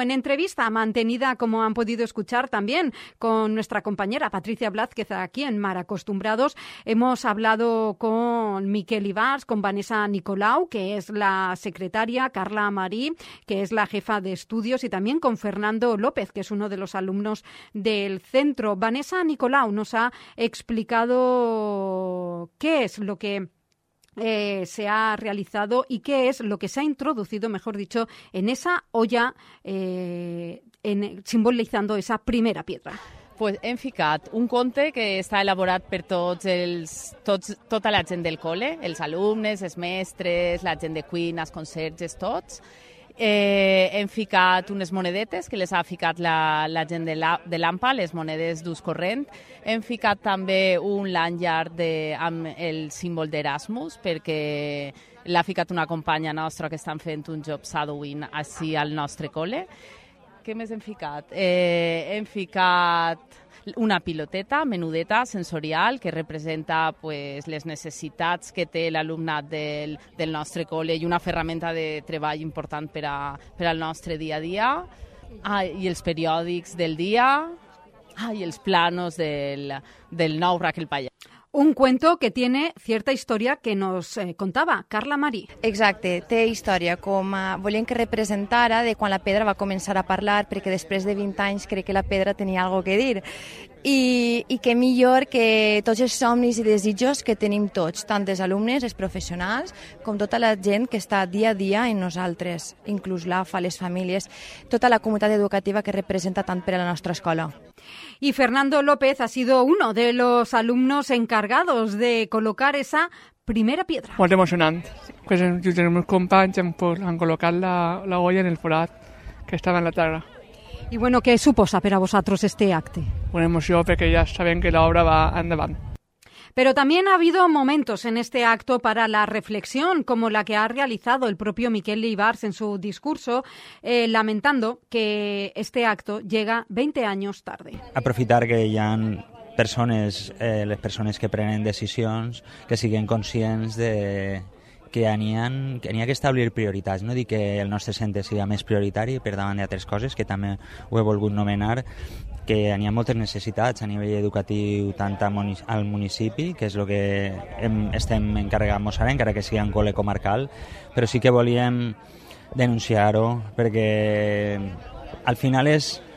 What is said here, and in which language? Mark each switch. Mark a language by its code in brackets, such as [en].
[es] En entrevista mantenida, como han podido escuchar también, con nuestra compañera Patricia Blas, que está aquí en Mar Acostumbrados, hemos hablado con Miquel Ibars, con Vanessa Nicolau, que es la secretaria, Carla Marí, que es la jefa de estudios, y también con Fernando López, que es uno de los alumnos del centro. Vanessa Nicolau nos ha explicado qué es lo que se ha realizado y qué es lo que se ha introducido, mejor dicho, en esa olla, simbolizando esa primera piedra. [ca] Pues hem ficat un conte que està elaborat per tots els, tota la gent del col·le, els alumnes, els mestres, la gent de cuina, els conserges, tots. Hem ficat unes monedetes que les ha ficat la gent de l'AMPA, les monedes d'ús corrent. Hem ficat també un lanyard amb el símbol d'Erasmus, perquè l'ha ficat una companya nostra que estan fent un job shadowing així al nostre col·le. Què més hem ficat? Hem ficat una piloteta menudeta sensorial que representa pues, les necessitats que té l'alumnat del nostre col·le i una ferramenta de treball important per al nostre dia a dia. I els periòdics del dia. I els planos del nou Raquel Payá. [es] Un cuento que tiene cierta historia que nos contaba Carla Marí. [ca] Exacte, té història, com volien que representara de quan la pedra va començar a parlar, perquè després de 20 anys crec que la pedra tenia algo que dir. I que millor que tots els somnis i desitjos que tenim tots, tant els alumnes, els professionals, com tota la gent que està dia a dia en nosaltres, inclús l'AFA, les famílies, tota la comunitat educativa que representa tant per a la nostra escola. [es] Y Fernando López ha sido uno de los alumnos encargados de colocar esa primera piedra. [ca] Molt emocionant. Pues tenim uns companys que han col·locat la olla en el forat que estava en la terra. I bueno, què suposa per a vosaltres este acte? Una emoció, perquè ja sabem que l'obra va endavant. [es] Pero también ha habido momentos en este acto para la reflexión, como la que ha realizado el propio Miquel Ibarz en su discurso, lamentando que este acto llega 20 años tarde. [ca] Aprofitar que ya han... persones, les persones que prenen decisions, que siguen conscients de que n'hi ha que establir prioritats, no dir que el nostre centre sigui més prioritari per davant d'altres coses, que també ho he volgut nomenar, que n'hi ha moltes necessitats a nivell educatiu, tant al municipi, que és el que estem encarregant-nos ara, encara que sigui en col·le comarcal, però sí que volíem denunciar-ho, perquè al final és...